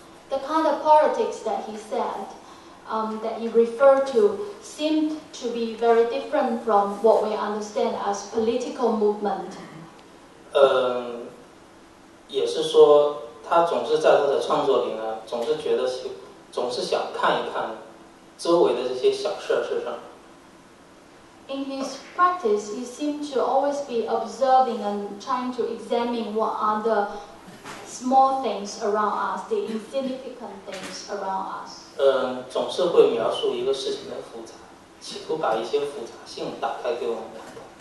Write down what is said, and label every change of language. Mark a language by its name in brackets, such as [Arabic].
[English] The kind of politics that he said, that he referred to, seemed to be very different from what we understand as political movement. [Chinese] 也是说，他总是在他的创作里呢，总是想看一看。 [English] In his practice, he seemed to always be observing and trying to examine what are the small things around us, the insignificant things around us. [Chinese] 总是会描述一个事情的复杂，企图把一些复杂性打开给我们看到。